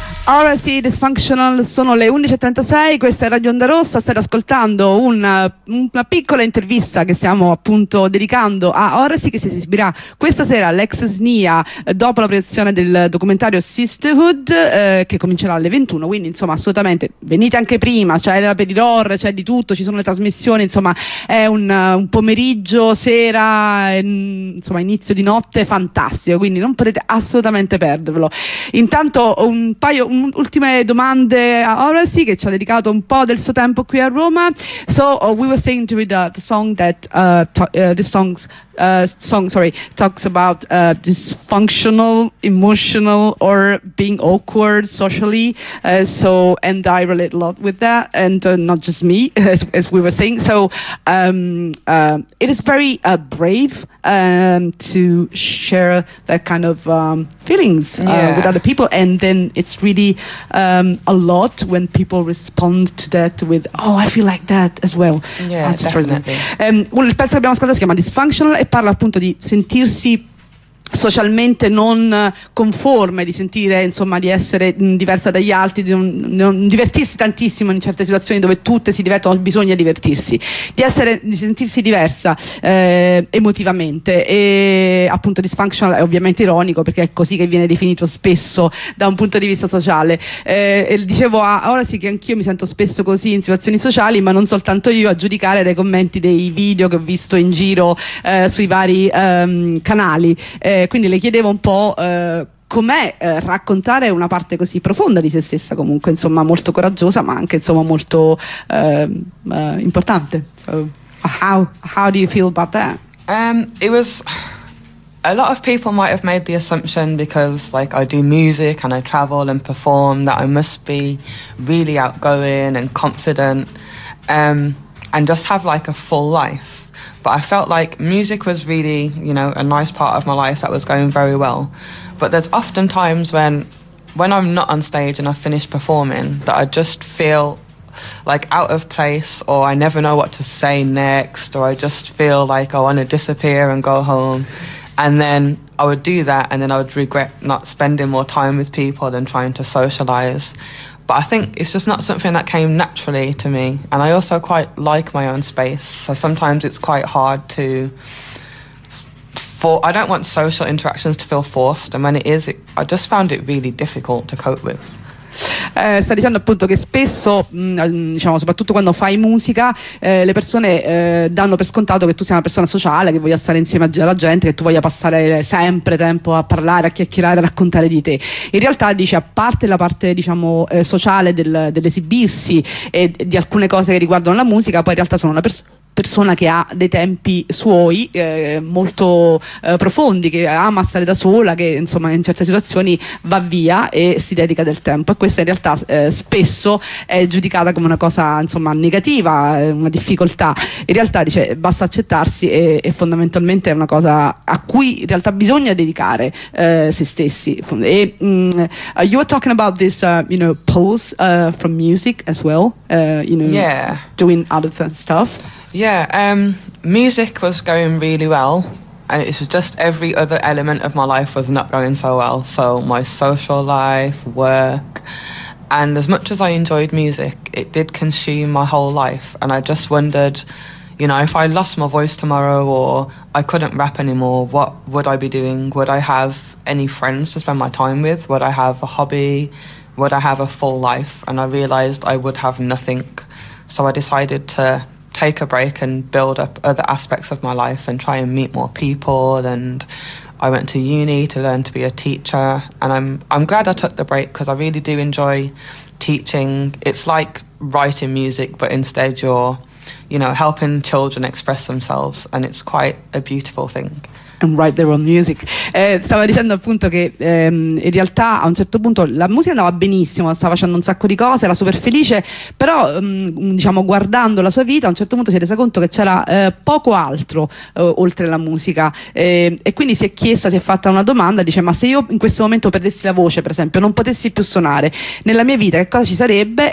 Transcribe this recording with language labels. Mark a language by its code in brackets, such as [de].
[it] Ora sì, Dysfunctional, sono le 11.36, questa è Radio Onda Rossa, state ascoltando una piccola intervista che stiamo appunto dedicando a Ora sì, che si esibirà questa sera all'ex SNIA dopo la proiezione del documentario Sisterhood, che comincerà alle 21, quindi insomma assolutamente venite anche prima, c'è cioè, la Pedirore, c'è cioè, di tutto, ci sono le trasmissioni, insomma è un pomeriggio, sera, insomma inizio di notte, fantastico, quindi non potete assolutamente perdervelo. Intanto un paio ultime domande a Orasi, che ci ha dedicato un po' del suo tempo qui a Roma. [en] So we were saying to read the song that talks about dysfunctional, emotional, or being awkward socially. So, and I relate a lot with that, and not just me, as we were saying. So, it is very brave to share that kind of feelings with other people, and then it's really a lot when people respond to that with, "Oh, I feel like that as well." Yeah, just definitely. [it] Il pezzo che abbiamo ascoltato si chiama Dysfunctional. Parla appunto di sentirsi socialmente non conforme, di sentire insomma di essere diversa dagli altri, di non divertirsi tantissimo in certe situazioni dove tutte si divertono, bisogna divertirsi, di sentirsi diversa emotivamente, e appunto Dysfunctional è ovviamente ironico perché è così che viene definito spesso da un punto di vista sociale, e dicevo ora sì che anch'io mi sento spesso così in situazioni sociali, ma non soltanto io, a giudicare dai commenti dei video che ho visto in giro sui vari canali. Quindi le chiedevo un po' com'è raccontare una parte così profonda di se stessa, comunque insomma molto coraggiosa, ma anche insomma molto importante. [en] So, how do you feel about that? It was a lot of people might have made the assumption, because like I do music and I travel and perform, that I must be really outgoing and confident and just have like a full life. But I felt like music was really, you know, a nice part of my life that was going very well. But there's often times when I'm not on stage and I've finished performing, that I just feel like out of place, or I never know what to say next, or I just feel like I want to disappear and go home. And then I would do that, and then I would regret not spending more time with people than trying to socialize. But I think it's just not something that came naturally to me. And I also quite like my own space. So sometimes it's quite hard to... I don't want social interactions to feel forced. And when it is, I just found it really difficult to cope with. [it] Sta dicendo appunto che spesso diciamo soprattutto quando fai musica le persone danno per scontato che tu sia una persona sociale, che voglia stare insieme alla gente, che tu voglia passare sempre tempo a parlare, a chiacchierare, a raccontare di te. In realtà dice, a parte la parte diciamo sociale dell'esibirsi e di alcune cose che riguardano la musica, poi in realtà sono una persona che ha dei tempi suoi molto profondi, che ama stare da sola, che insomma in certe situazioni va via e si dedica del tempo, e questa in realtà spesso è giudicata come una cosa insomma negativa, una difficoltà. In realtà dice basta accettarsi, e fondamentalmente è una cosa a cui in realtà bisogna dedicare se stessi. [en] E you were talking about this you know pause from music as well, doing other stuff. Yeah, music was going really well, and it was just every other element of my life was not going so well. So my social life, work, and as much as I enjoyed music, it did consume my whole life. And I just wondered, you know, if I lost my voice tomorrow or I couldn't rap anymore, what would I be doing? Would I have any friends to spend my time with? Would I have a hobby? Would I have a full life? And I realized I would have nothing. So I decided to take a break and build up other aspects of my life and try and meet more people. And I went to uni to learn to be a teacher, and I'm glad I took the break because I really do enjoy teaching. It's like writing music, but instead you're, you know, helping children express themselves, and it's quite a beautiful thing. and write their own music. [it] Stavo dicendo appunto che in realtà a un certo punto la musica andava benissimo, stava facendo un sacco di cose, era super felice, però diciamo guardando la sua vita a un certo punto si è resa conto che c'era poco altro oltre la musica, e quindi si è chiesta, si è fatta una domanda, dice: ma se io in questo momento perdessi la voce, per esempio, non potessi più suonare, nella mia vita che cosa ci sarebbe?